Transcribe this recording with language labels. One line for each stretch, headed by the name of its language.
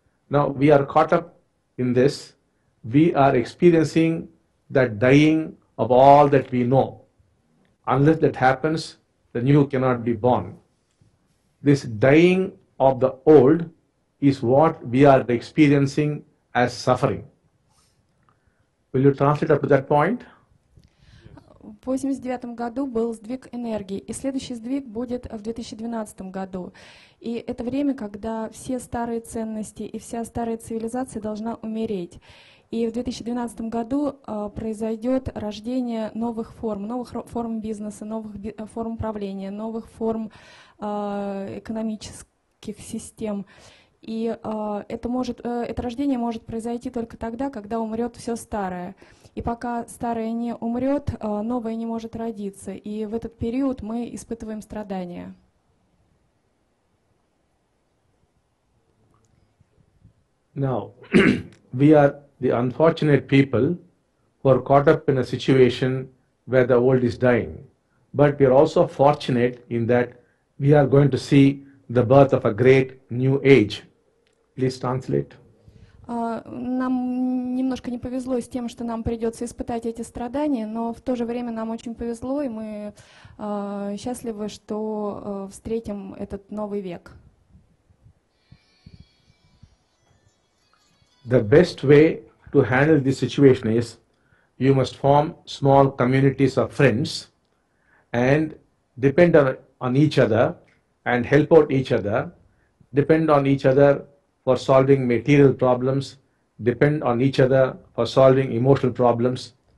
English: Now we are caught up in this. We are experiencing that dying of all that we know. Unless that happens, the new cannot be born. This dying of the old is what we are experiencing as suffering. Will you translate up to that point?
Russian: В 89 году был сдвиг энергии, и следующий сдвиг будет в 2012 году. И это время, когда все старые ценности и вся старая цивилизация должна умереть. И в 2012 году произойдет рождение новых форм бизнеса, новых форм правления, новых форм экономических систем. И это рождение может произойти только тогда, когда умрет все старое. И пока старое не умрет, новое не может родиться. И в этот период мы испытываем страдания.
English: Now, we are the unfortunate people who are caught up in a situation where the world is dying. But we are also fortunate in that we are going to see the birth of a great new age. Please translate.
Russian: Нам немножко не повезло с тем, что нам придется испытать эти страдания, но в то же время нам очень повезло, и мы счастливы, что встретим этот новый век.
English: The best way to handle this situation is you must form small communities of friends and depend on each other and help out each other, depend on each other for solving material problems, depend on each other for solving emotional problems.